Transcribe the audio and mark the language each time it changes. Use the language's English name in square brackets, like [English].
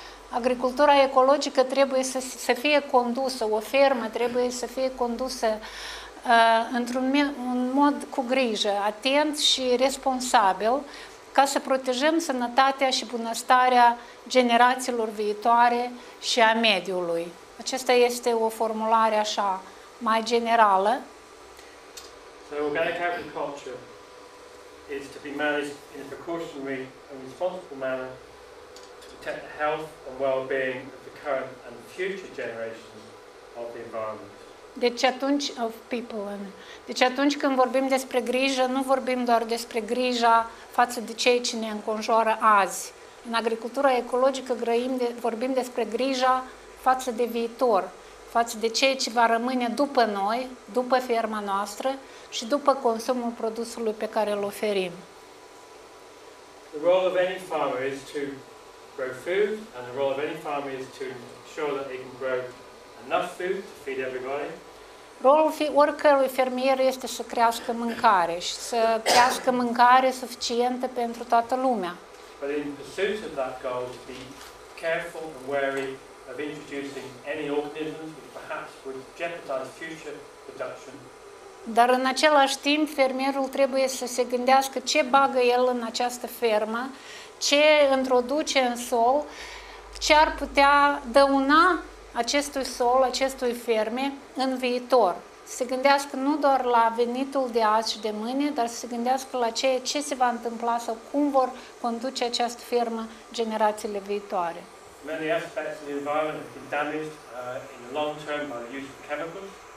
[Romanian] Agricultura ecologică trebuie să fie condusă, o fermă trebuie să fie condusă într-un mod cu grijă, atent și responsabil, ca să protejăm sănătatea și bunăstarea generațiilor viitoare și a mediului. Acesta este o formulare așa, mai generală. [English] So, is to be managed in a precautionary and responsible manner to protect the health and well-being of the current and the future generations of the environment. [Romanian] Deci atunci, [English] of people, [Romanian] deci atunci când vorbim despre grijă, nu vorbim doar despre grija față de cei ce ne înconjoară azi. În agricultura ecologică vorbim despre grija față de viitor, față de cei ce va rămâne după noi, după ferma noastră, și după consumul produsului pe care îl oferim. [English] The role of any farmer is to grow food, and the role of any farmer is to ensure that they can grow enough food to feed everybody. [Romanian] Rolul oricărui fermier este să crească mâncare și să crească mâncare suficientă pentru toată lumea. [English] But in pursuit of that goal, to be careful and wary of introducing any organisms which perhaps would jeopardize future production. [Romanian] Dar în același timp, fermierul trebuie să se gândească ce bagă el în această fermă, ce introduce în sol, ce ar putea dăuna acestui sol, acestui ferme, în viitor. Se gândească nu doar la venitul de azi și de mâine, dar se gândească la ce se va întâmpla sau cum vor conduce această fermă generațiile viitoare. [English] Many aspects of the environment have been damaged in the long term by the use of chemicals.